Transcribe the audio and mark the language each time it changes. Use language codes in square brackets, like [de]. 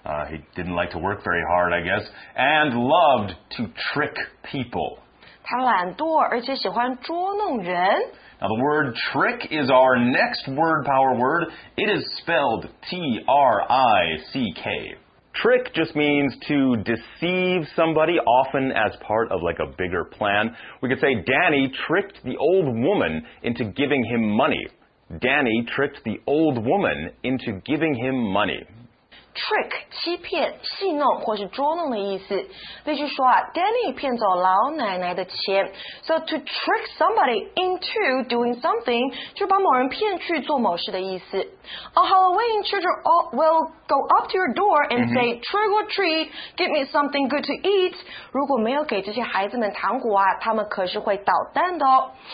[en] He didn't like to work very hard, I guess, and loved to trick people. [zh] 他懒惰而且喜欢捉弄人。 [en] Now the word trick is our next word power word. It is spelled T-R-I-C-K. Trick just means to deceive somebody, often as part of like a bigger plan. We could say Danny tricked the old woman into giving him money. Danny tricked the old woman into giving him money. [zh] Trick, 欺骗、戏弄或是捉弄的意思。例句说啊 ,Danny 骗走老奶奶的钱。 [en] So to trick somebody into doing something, [zh] 就把某人骗去做某事的意思。 [en] On Halloween, children will go up to your door and say,、mm-hmm. trick or treat, get me something good to eat. [zh] 如果没有给这些孩子们糖果啊他们可是会捣蛋的哦。